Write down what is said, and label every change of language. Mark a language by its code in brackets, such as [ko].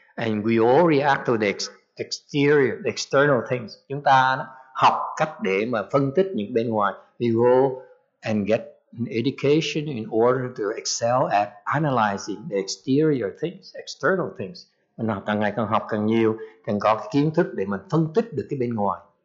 [en] And we all react to the exterior, the external things. [vi] Chúng ta đó, học cách để mà phân tích những bên ngoài. [en] We go and get an education in order to excel at analyzing the exterior things, external things. [vi] Mình học càng ngày càng học càng nhiều, càng có cái kiến thức để mình phân tích được cái bên ngoài.